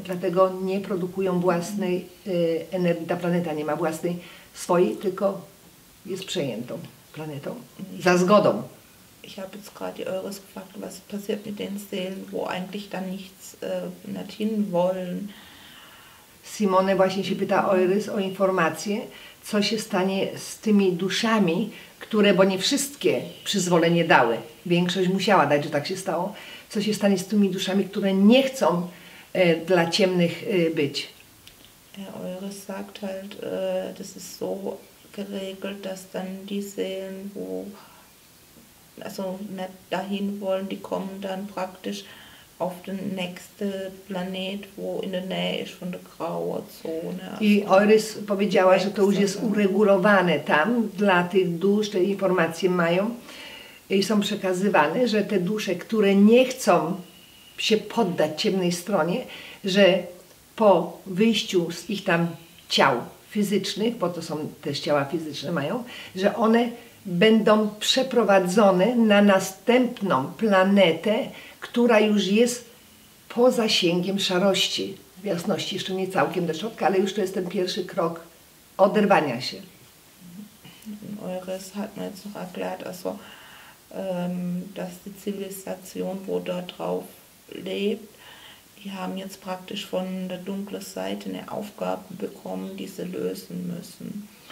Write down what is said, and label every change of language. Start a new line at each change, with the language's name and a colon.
Polish: Dlatego nie produkują własnej energii. Ta planeta nie ma własnej swojej, tylko jest przejętą planetą. Za zgodą.
German: Ich habe jetzt gerade Eures gefragt, was passiert mit den Seelen, wo eigentlich dann nichts nicht hin wollen.
Polish: Simone właśnie się pyta Eures o informację, co się stanie z tymi duszami, które, bo nie wszystkie przyzwolenie dały, większość musiała dać, że tak się stało, co się stanie z tymi duszami, które nie chcą dla ciemnych być.
German: Eures sagt halt, das ist so geregelt, dass dann die Seelen, wo also nicht dahin wollen, die kommen dann praktisch auf den nächsten Planet, wo in der Nähe ist von der grauen Zone.
Polish: I Eurys powiedziała, że to już jest uregulowane tam dla tych dusz, te informacje mają i są przekazywane, że te dusze, które nie chcą się poddać ciemnej stronie, że po wyjściu z ich tam ciał fizycznych, bo to są też ciała fizyczne mają, że one będą przeprowadzone na następną planetę, która już jest po zasięgiem szarości, w jasności, jeszcze nie całkiem do środka, ale już to jest ten pierwszy krok oderwania się.
German: Eures hat mir jetzt noch erklärt, also, dass die Zivilisation, wo dort drauf lebt, die haben jetzt praktisch von der dunklen Seite eine Aufgabe bekommen, die sie lösen müssen.